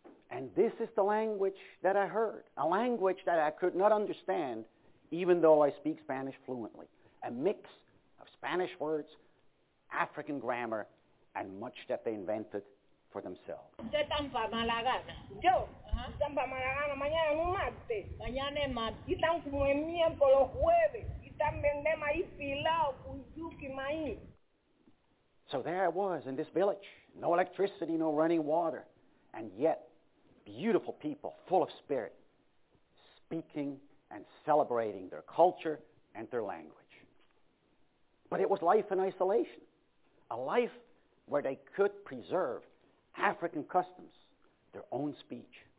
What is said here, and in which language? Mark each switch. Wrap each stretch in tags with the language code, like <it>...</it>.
<en>And this is the language that I heard, a language that I could not understand, even though I speak Spanish fluently, a mix of Spanish words, African grammar, and much that they invented for themselves.</en> <pln>Usted tan mala gana. Yo, tan mala gana. Mañana es martes. Mañana es martes. Y tan como el miércoles, jueves. Y tan vende maíz pilao, con yuki maíz.</pln> <en>So there I was in this village, no electricity, no running water, and yet beautiful people, full of spirit, speaking and celebrating their culture and their language. But it was life in isolation, a life where they could preserve African customs, their own speech.</en>